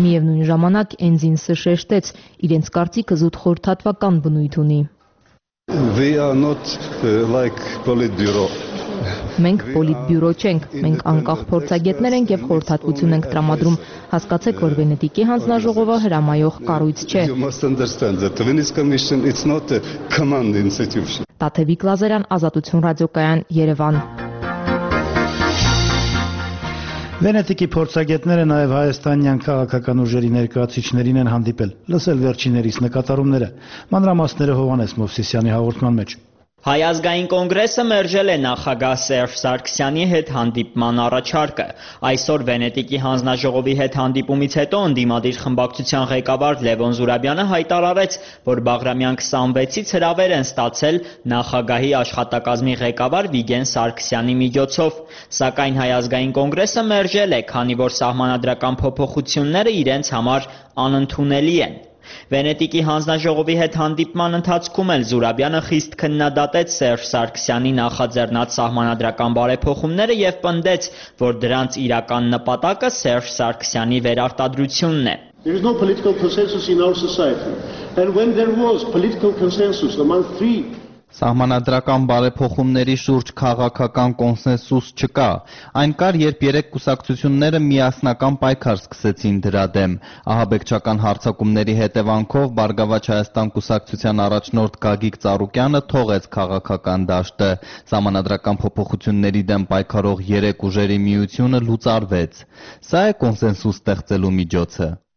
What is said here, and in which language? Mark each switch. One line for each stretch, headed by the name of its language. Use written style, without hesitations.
Armenian: Միևնույն ժամանակ Էնձինսը շեշտեց, իրենց կարծիքը զուտ խորհրդատվական բնույթ ունի։
English: We are not like Politburo.
Armenian: Մենք Politburo չենք, մենք անկախ փորձագետներ ենք եւ խորհրդատվություն ենք տրամադրում։ Հասկացեք, որ Վենետիկի հանձնաժողովը հրամայող կառույց չէ։
English: You must understand that the Venice Commission it's not a command institution.
Armenian: Տաթևիկ Լազարյան, Ազատություն ռադիոկայան, Երևան։ Վենետիկի փորձագետները նաև հայաստանյան քաղաքական ուժերի ներկայացիչներին են հանդիպել, լսել վերջիններիս նկատառումները։ Մանրամասները Հովհանես Մովսիսյանի հաղորդման մեջ։ Հայազգային կոնգրեսը մերժել է նախագահ Սերժ Սարգսյանի հետ հանդիպման առաջարկը։ Այսօր Վենետիկի հանձնաժողովի հետ հանդիպումից հետո ընդդիմադիր խմբակցության ղեկավար Լևոն Զուրաբյանը հայտարարեց, որ Բաղրամյան 26-ից հրավեր են ստացել նախագահի աշխատակազմի ղեկավար Վիգեն Սարգսյանի միջոցով, սակայն Հայազգային կոնգրեսը մերժել է, քանի որ սահմանադրական փոփոխությունները իրենց համար անընդունելի են։ Վենետիկի հանձնաժողովի հետ հանդիպման ընթացքում էլ Զուրաբյանը խիստ քննադատեց Սերժ Սարգսյանի նախաձեռնած սահմանադրական բարեփոխումները և պնդեց, որ դրանց իրական նպատակը Սերժ Սարգսյանի վերարտադրությունն է.
English: There is no political consensus in our society. And when there was political consensus among three...
Armenian: Սահմանադրական բարեփոխումների շուրջ քաղաքական կոնսենսուս չկա, այն կար, երբ երեք կուսակցությունները միասնական պայքար սկսեցին դրա դեմ։ Ահաբեկչական հարցակումների հետևանքով Բարգավաճ Հայաստան կուսակցության առաջնորդ Գագիկ Ծառուկյանը թողեց քաղաքական դաշտը։ Սահմանադրական փոփոխությունների դեմ պայքարող երեք ուժերի միությունը լուծարվեց։ Սա է կոնսենսուս ստեղծելու միջոցը։